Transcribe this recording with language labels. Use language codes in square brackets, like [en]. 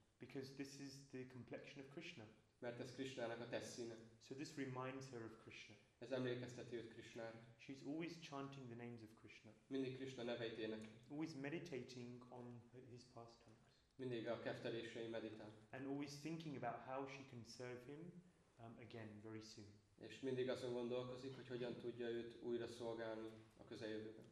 [en] Because this is the complexion of Krishna. [hu] Mert ez Krishnának a tesszíne. [en] So this reminds her of Krishna. [hu] Ez emlékezteti őt Krishnára. [en] She's always chanting the names of Krishna. [hu] Mindig Krishna neveit énekli. [en] Always meditating on his pastimes. [hu] Mindig a keftelései meditál. [en] And always thinking about how she can serve him again very soon. [hu] És mindig azon gondolkozik, hogy hogyan tudja őt újra szolgálni a közeljövőben.